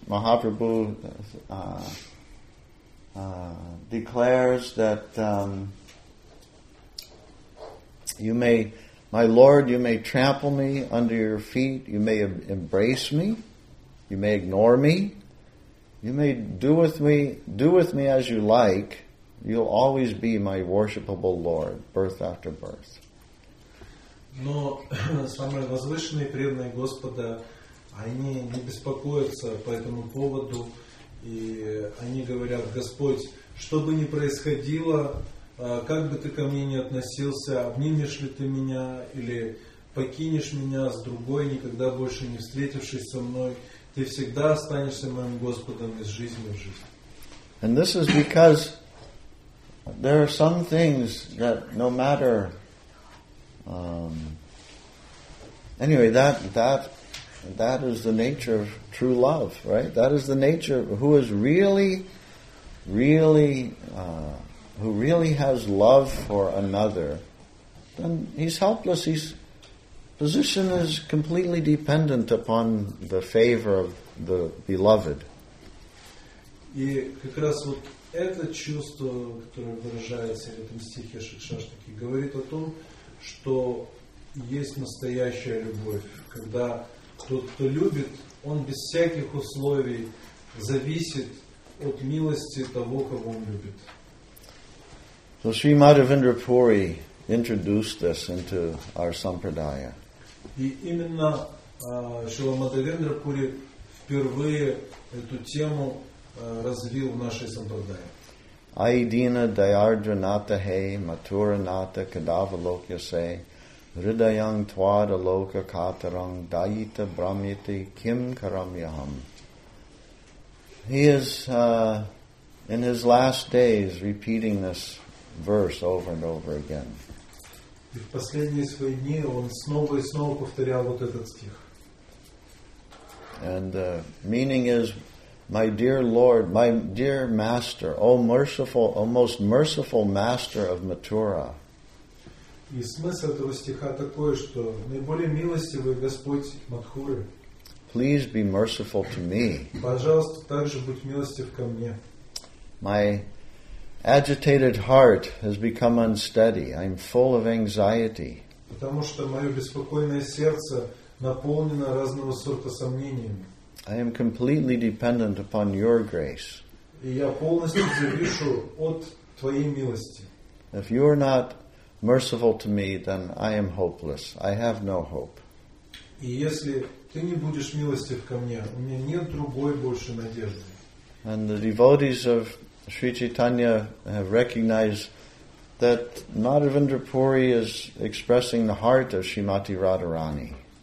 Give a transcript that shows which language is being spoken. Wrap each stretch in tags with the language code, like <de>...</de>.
<en>Mahaprabhu declares that you may, my Lord, you may trample me under your feet, you may embrace me, You may ignore me. You may do with me as you like. You'll always be my worshipable Lord, birth after birth.</en> <ru>Но самые возвышенные преданные Господа, они не беспокоятся по этому поводу, и они говорят: Господь, что бы ни происходило, как бы ты ко мне ни относился, обнимешь ли ты меня или покинешь меня с другой, никогда больше не встретившись со мной, ты всегда останешься моим Господом из жизни в жизнь.</ru> <en>And this is because there are some things that no matter anyway, that is the nature of true love, right? That is the nature of who is really, really, who really has love for another. Then he's helpless. His position is completely dependent upon the favor of the beloved.</en> <ru>И как раз вот это чувство, которое выражается в этом стихе Шикшаштаки, говорит о том, что есть настоящая любовь, когда тот, кто любит, он без всяких условий зависит от милости того, кого он любит.</ru> <en>So Sri Madhavendra Puri introduced this into our sampradaya.</en> <ru>И именно Шрила Мадхавендра Пури впервые эту тему развил в нашей сампрадае.</ru> <sa>Aidina Dayardranata Hey Maturanata Kadavalokyase Ridayang Twada Loka Katarang Daita Brahmiti Kim Karamyaham.</sa> <en>He is in his last days repeating this verse over and over again.</en> <ru>И в последние свои дни он снова и снова повторял вот этот стих.</ru> <en>And meaning is, my dear Lord, my dear Master, O merciful, O most merciful Master of Mathura.</en> <ru>И смысл этого стиха такой, что наиболее милостивый Господь Мадхуры.</ru> <en>Please be merciful to me.</en> <ru>Пожалуйста, также будь милостив ко мне.</ru> <en>My agitated heart has become unsteady. I'm full of anxiety.</en> <ru>Потому что мое беспокойное сердце наполнено разного сорта сомнениями.</ru> <en>I am completely dependent upon your grace.</en> <ru>Я полностью зависю от твоей милости.</ru> <en>If you are not merciful to me, then I am hopeless. I have no hope.</en> <ru>И если ты не будешь милостив ко мне, у меня нет другой больше надежды.</ru> <en>And the devotees of Sri Chaitanya have recognized that Madhavendra Puri is expressing the heart of Srimati Radharani.</en>